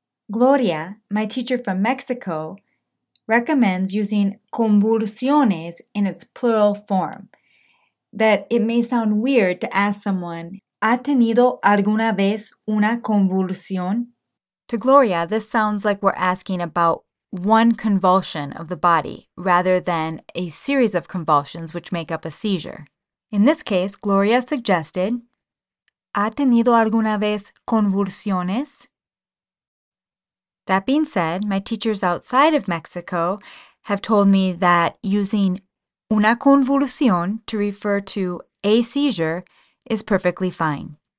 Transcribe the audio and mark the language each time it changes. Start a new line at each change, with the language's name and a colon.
English: Gloria, my teacher from Mexico, recommends using convulsiones in its plural form, that it may sound weird to ask someone,
Spanish: ¿ha tenido alguna vez una convulsión?
English: To Gloria, this sounds like we're asking about one convulsion of the body, rather than a series of convulsions which make up a seizure. In this case, Gloria suggested,
Spanish: ¿ha tenido alguna vez convulsiones?
English: That being said, my teachers outside of Mexico have told me that using una convulsión to refer to a seizure is perfectly fine.